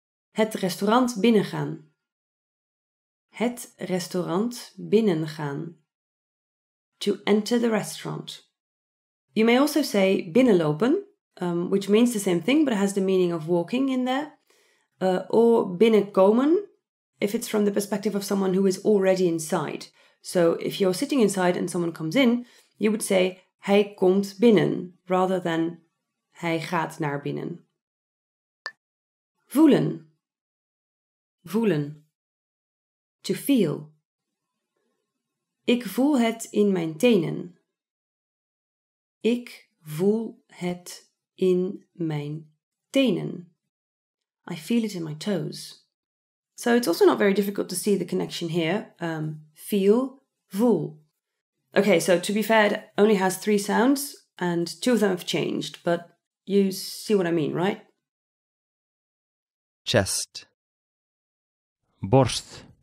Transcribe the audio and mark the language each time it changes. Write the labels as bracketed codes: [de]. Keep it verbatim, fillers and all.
[nl] Het restaurant binnengaan. Het restaurant binnengaan. [en] To enter the restaurant. You may also say binnenlopen. Um, which means the same thing, but it has the meaning of walking in there. Uh, or binnenkomen, if it's from the perspective of someone who is already inside. So if you're sitting inside and someone comes in, you would say, [nl] hij komt binnen, [en] rather than [nl] hij gaat naar binnen. [en] Voelen. Voelen. To feel. [nl] Ik voel het in mijn tenen. Ik voel het in mijn tenen. [en] I feel it in my toes. So it's also not very difficult to see the connection here. Um, feel, voel. Okay, so to be fair, it only has three sounds and two of them have changed, but you see what I mean, right? Chest. Borst.